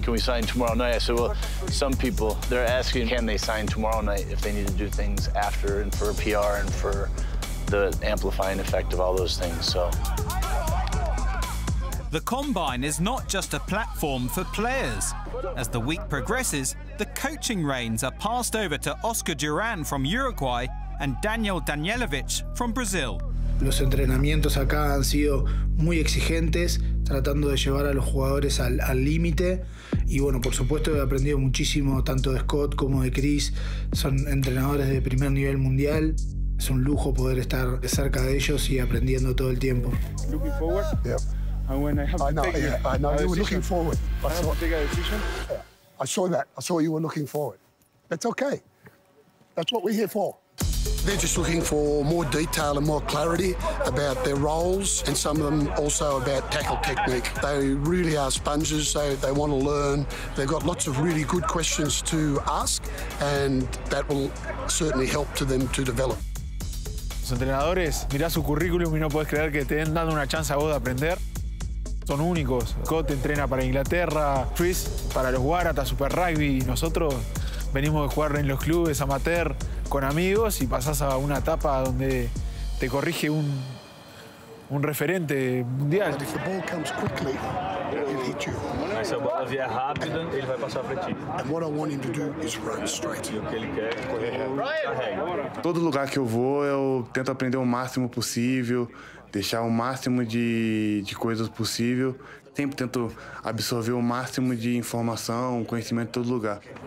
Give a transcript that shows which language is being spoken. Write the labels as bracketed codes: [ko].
[en] Can we sign tomorrow night? I said, well, some people, they're asking, can they sign tomorrow night if they need to do things after and for PR and for the amplifying effect of all those things, so. The Combine is not just a platform for players. As the week progresses, the coaching reins are passed over to Oscar Duran from Uruguay and Daniel Danielovich from Brazil. [es] Los entrenamientos acá han sido muy exigentes, tratando de llevar a los jugadores al límite. Y bueno, por supuesto, he aprendido muchísimo tanto de Scott como de Chris. Son entrenadores de primer nivel mundial. Es un lujo poder estar cerca de ellos y aprendiendo todo el tiempo. [en] Looking forward? Yeah. And when I have I know, big, yeah, I know. You were looking forward. I saw a bigger decision. Yeah, I saw that. I saw you were looking forward. That's okay. That's what we're here for. They're just looking for more detail and more clarity about their roles, and some of them also about tackle technique. They really are sponges, so they want to learn. They've got lots of really good questions to ask, and that will certainly help to them to develop. [es] Los entrenadores, mirá su currículum y no puedes creer que te den dando una chance a vos de aprender. Son únicos. Scott entrena para Inglaterra, Chris para los Waratah Super Rugby. Nosotros venimos de jugar en los clubes amateur con amigos y pasás a una etapa donde te corrige un referente mundial. [en] If the ball comes quickly, he'll hit you. And what I want him to do is run straight. [pt] Todo lugar que eu vou, eu tento aprender o máximo possível. Deixar o máximo de coisas possível. Sempre tento absorver o máximo de informação, conhecimento em todo lugar.